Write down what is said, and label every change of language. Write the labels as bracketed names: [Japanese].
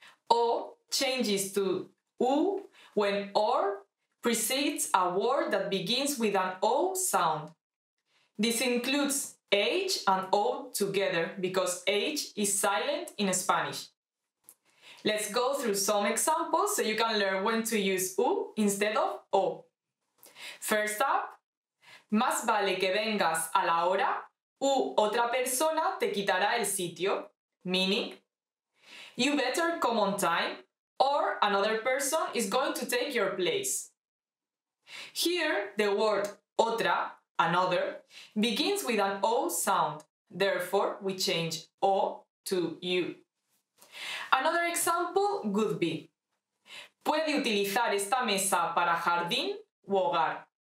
[English] O changes to U when or precedes a word that begins with an O sound. This includes H and O together because H is silent in Spanish. Let's go through some examples so you can learn when to use U instead of O. First up, [Spanish] más vale que vengas a la hora u otra persona te quitará el sitio. [English] Meaning, you better come on time or another person is going to take your place. Here, the word otra, another, begins with an O sound. Therefore, we change O to U. Another example could be: [Spanish] puede utilizar esta mesa para jardín u hogar.